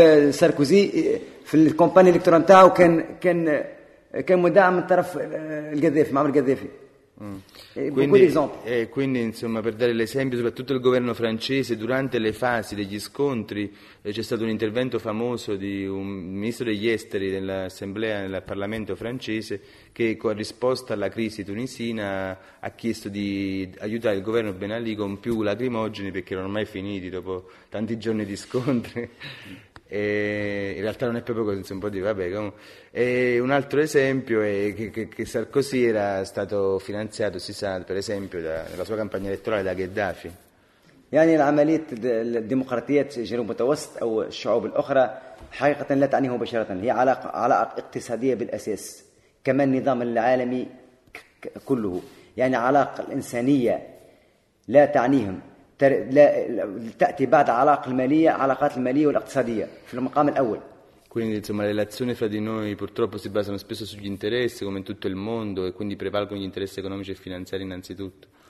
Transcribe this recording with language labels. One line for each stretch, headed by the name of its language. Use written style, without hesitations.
Arabic: ساركوزي في الكومباني الإلكترونتا وكان كان كان مدعم من طرف القذافي معمر القذافي.
Italian: Quindi insomma, per dare l'esempio, soprattutto il governo francese, durante le fasi degli scontri c'è stato un intervento famoso di un ministro degli esteri dell'assemblea del Parlamento francese che con risposta alla crisi tunisina ha chiesto di aiutare il governo Ben Ali con più lacrimogeni perché erano ormai finiti dopo tanti giorni di scontri. E in realtà non è proprio così, un po' di vabbè. E un altro esempio è che Sarkozy era stato finanziato, si sa, per esempio, nella sua campagna elettorale da Gheddafi.
Arabic: يعني العملية الديمقراطية جنوب متوسط أو الشعوب الأخرى حقيقة لا تعنيه بشرة, هي علاقة اقتصادية بالأساس كما النظام العالمي كله, يعني علاقة إنسانية لا تعنيهم, لا تأتي بعد علاقة المالية, علاقات المالية والاقتصادية في المقام الأول.
Italian: Quindi insomma le relazioni fra di noi purtroppo si basano spesso sugli interessi come in tutto il mondo e quindi prevalgono gli interessi economici e finanziari innanzitutto.